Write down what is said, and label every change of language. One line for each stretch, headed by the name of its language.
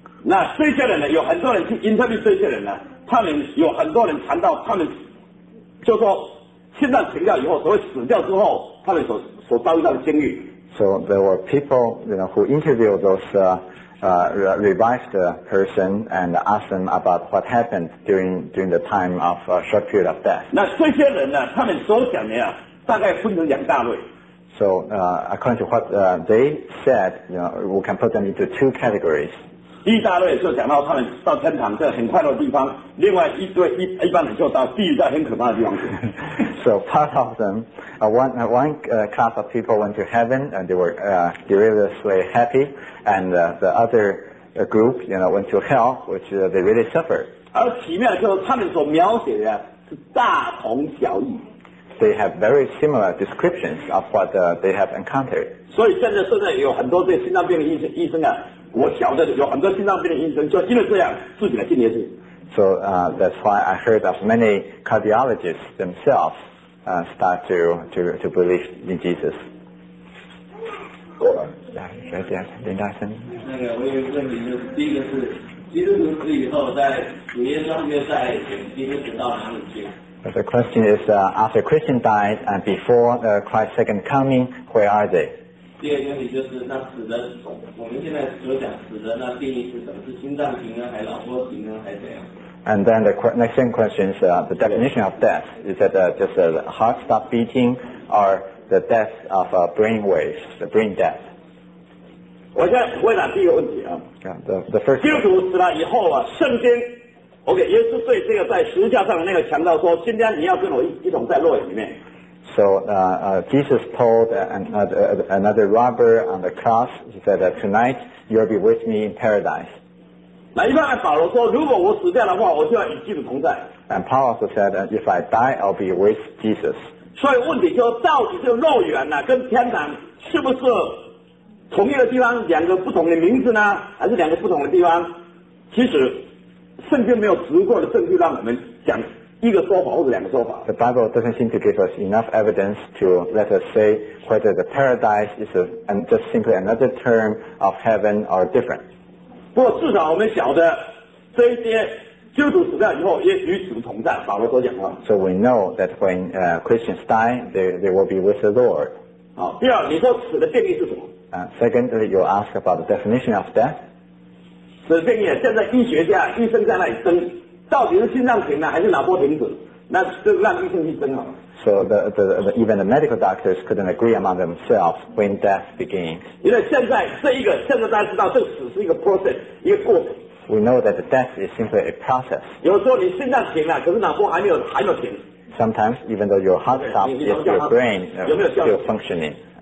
Chinese: 那这些人呢，有很多人去 interview 这些人呢，他们有很多人谈到他们就说心脏停掉以后，所谓死掉之后，他们所遭遇到的境遇。
English: So there were people, you know, who interviewed those revived person and asked them about what happened during the time of a short period of death.
Chinese: 那这些人呢，他们所讲的呀，大概分成两大类。
English: So according to what they said, you know, we can put them into two categories.
Chinese: 第一大类就讲到他们到天堂这很快乐的地方，另外一对一般人就到地狱这很可怕的地方去。
English: So part of them, one class of people went to heaven and they were deliriously happy, and the other group, you know, went to hell, which they really suffered.
Chinese: 而奇妙就是他们所描写的是大同小异。
English: They have very similar descriptions of what they have encountered.
Chinese: 所以现在有很多这心脏病的医生啊，我晓得有很多心脏病的医生就因为这样自己来信耶稣。
English: So that's why I heard of many cardiologists themselves start to believe in Jesus.
Chinese: 过了，再见，林大森。那个，我有个问题，就是第一个是基督徒死以后，在主耶稣面前，基督徒到哪里去？
English: But the question is, after Christian died and before Christ's second coming, where are they?
Chinese: 第二个问题就是，那死的，我们现在所讲死的，那定义是什么？是心脏停呢，还是脑波停呢，还是怎样？
English: And then the next question is the definition of death. Is that just the heart stop beating or the death of brain waves, the brain death?
Chinese: 我现在回答第一个问题啊。
English: Yeah, the first.
Chinese: 基督徒死了以后啊，圣经 ，OK， 耶稣对这个在十字架上的那个强调说，今天你要跟我一同在乐园里面。
English: So Jesus told another robber on the cross, he said that tonight you'll be with me in paradise.
Chinese: 那一般按保罗说，如果我死掉的话，我就要与基督同在。
English: And Paul also said that if I die, I'll be with Jesus.
Chinese: 所以问题就是，到底这个乐园呢、啊，跟天堂是不是同一个地方，两个不同的名字呢？还是两个不同的地方？其实圣经没有足够的证据让我们讲一个说法或者两个说法。
English: The Bible doesn't seem to give us enough evidence to let us say whether the paradise is just simply another term of heaven or different.
Chinese: 不过至少我们晓得这些基督徒死掉以后也与主同在，保罗所讲话。
English: So we know that when Christians die, they will be with the Lord.
Chinese: 好，第二，你说死的定义是什么？
English: Secondly, you ask about the definition of death.
Chinese: 死的定义，现在医学家、医生在那里争，到底是心脏停了还是脑波停止？那就让医生去争好了。
English: So the even the medical doctors couldn't agree among themselves when death began. We know that death is simply a process. Sometimes, even though your heart stops, yet your brain is still functioning.